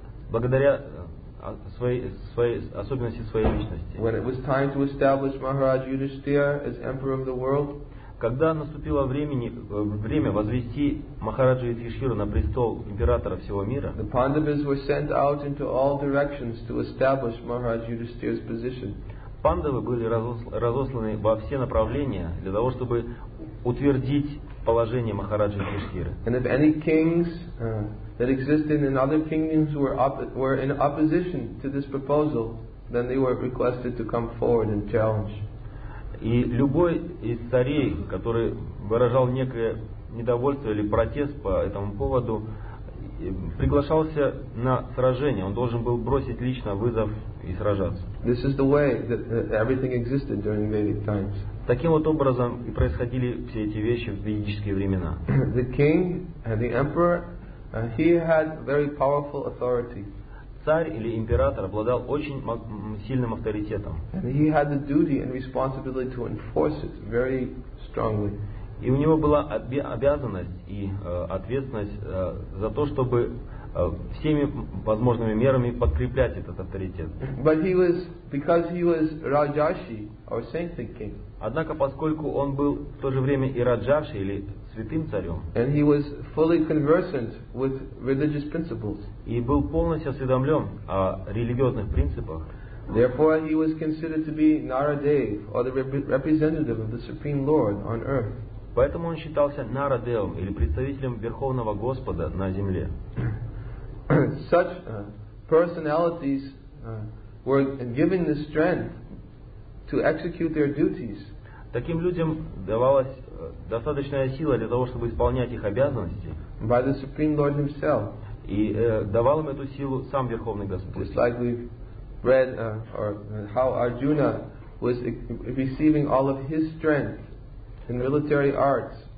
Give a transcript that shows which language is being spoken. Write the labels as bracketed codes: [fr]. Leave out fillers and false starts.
[ru] Благодаря своей особенности своей личности. [en] When it was time to establish Maharaj Yudhishthira as emperor of the world, [ru] когда наступило время возвести Махараджу Юдхиштхиру на престол императора всего мира, [en] the Pandavas were sent out into all directions to establish Maharaj Yudhishthira's position. [ru] Пандавы были разосланы во все направления для того, чтобы утвердить положение Махараджи Юдхиштхиры. [en] And if any kings that existed in other kingdoms were in opposition to this proposal, then they were requested to come forward and challenge. [ru] И любой из царей, который выражал некое недовольство или протест по этому поводу, приглашался на сражение. Он должен был бросить лично вызов и сражаться. [en] This is the way that everything existed during Vedic times. [ru] Таким вот образом и происходили все эти вещи в ведические времена. [en] The king and the emperor, he had very powerful authority. [ru] Царь или император обладал очень сильным авторитетом. [en] And he had the duty and responsibility to enforce it very strongly. [ru] И у него была обязанность и ответственность за то, чтобы всеми возможными мерами подкреплять этот авторитет. [en] But he was, because he was Rajashi or Sainted King. [ru] Однако, поскольку он был в то же время и Раджаши, или святым царем, [en] and he was fully conversant with religious principles. [ru] И был полностью осведомлен о религиозных принципах. [en] Therefore, he was considered to be Naradev, or the representative of the Supreme Lord on earth. [ru] Поэтому он считался Нарадевом, или представителем Верховного Господа на земле. [en] Such personalities were given the strength to execute their duties. [ru] Таким людям давалась достаточная сила для того, чтобы исполнять их обязанности. [en] By the Supreme Lord himself. [ru] И давал им эту силу сам Верховный Господь. [en] Just like we read how Arjuna was receiving all of his strength in military arts.